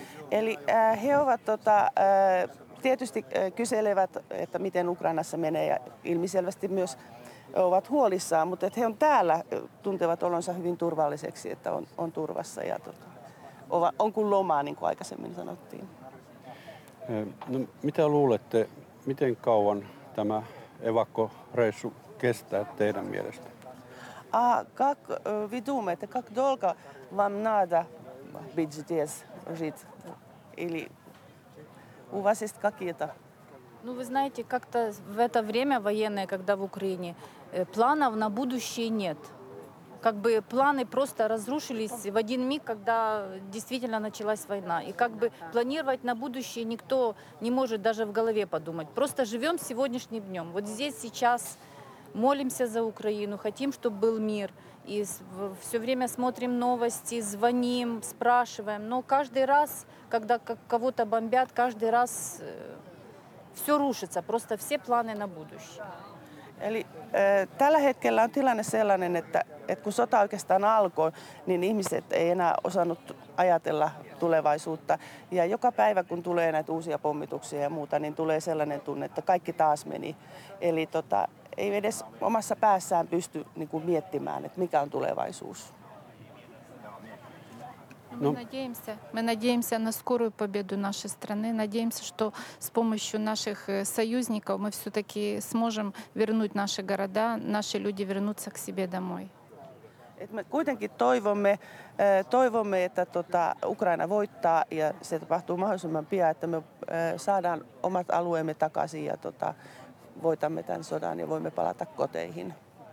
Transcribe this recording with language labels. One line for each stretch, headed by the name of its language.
Finnish: Eli he ovat tietysti kyselevät, että miten Ukrainassa menee, ja ilmiselvästi myös ovat huolissaan, mutta että he on täällä, tuntevat olonsa hyvin turvalliseksi, että on turvassa ja on kuin lomaa, niin kuin aikaisemmin sanottiin. No, mitä luulette, miten kauan tämä evakkoreissu kestää teidän mielestä?
Russian: Как вы думаете, как долго вам надо быть здесь жить? Или у вас есть какие-то? Ну, вы знаете, как-то в это время военное, когда в Украине, планов на будущее нет. Как бы планы просто разрушились в один миг, когда действительно началась война. И как бы планировать на будущее никто не может даже в голове подумать. Просто живем сегодняшним днем. Вот здесь сейчас молимся за Украину, хотим, чтобы был мир. И все время смотрим новости, звоним, спрашиваем. Но каждый раз, когда кого-то бомбят, каждый раз все рушится. Просто все планы на будущее.
Finnish: Eli tällä hetkellä on tilanne sellainen, että kun sota oikeastaan alkoi, niin ihmiset ei enää osannut ajatella tulevaisuutta. Ja joka päivä, kun tulee näitä uusia pommituksia ja muuta, niin tulee sellainen tunne, että kaikki taas meni. Eli ei edes omassa päässään pysty niin kuin miettimään, että mikä on tulevaisuus.
Russian: Мы надеемся на скорую победу нашей страны, надеемся, что с помощью наших союзников мы все-таки сможем вернуть наши города, наши люди вернутся к себе домой. Мы
Finnish: kuitenkin toivomme, että Украина voittaa ja se tapahtuu mahdollisimman pian, että me saadaan omat alueemme takaisin ja voitamme tämän sodan ja voimme palata koteihin.